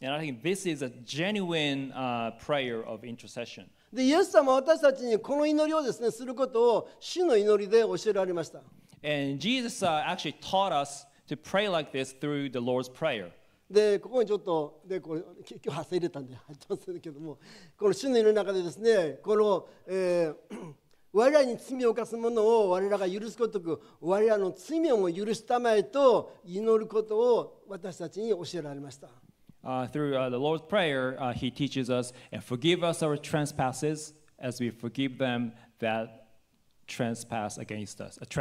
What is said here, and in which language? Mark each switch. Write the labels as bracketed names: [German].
[English] And I think this is a genuine prayer of intercession. [Japanese] でイエス様は私たちにこの祈りをですね、することを主の祈りで教えられました。 [English] And Jesus actually taught us. To pray like this through the Lord's Prayer. [Japanese] で、ここにちょっと、で、これ、今日忘れ入れたんで、入ってますけども、この主の祈りの中でですね、この、我らに罪を犯す者を我らが許すことく、我らの罪をも許したまえと祈ることを私たちに教えられました。 [English] Through the Lord's Prayer, he teaches us, and forgive us our trespasses as we forgive them that trespass against us.